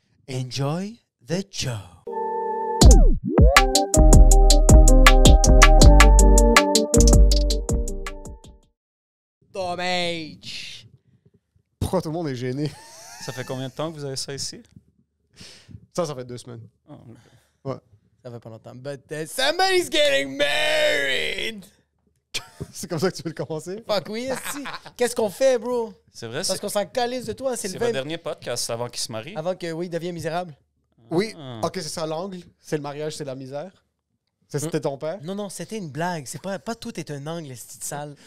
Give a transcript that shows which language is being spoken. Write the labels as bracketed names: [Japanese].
[English] enjoy the show. Tom H. [French] Pourquoi tout le monde est gêné? Ça fait combien de temps que vous avez ça ici? Ça fait 2 semaines. Oh, okay. Ouais. Ça fait pas longtemps. [English] But somebody's getting married! [French] C'est comme ça que tu veux le commencer? Fuck oui, esti. Qu'est-ce qu'on fait, bro? C'est vrai. Parce qu'on s'en calisse de toi. C'est le votre dernier podcast avant qu'il se marie. Avant que, oui, il devienne misérable. Ah. Oui. OK, c'est ça l'angle. C'est le mariage, c'est la misère. C'était ton père? Non, c'était une blague. C'est pas tout est un angle, esti de sale.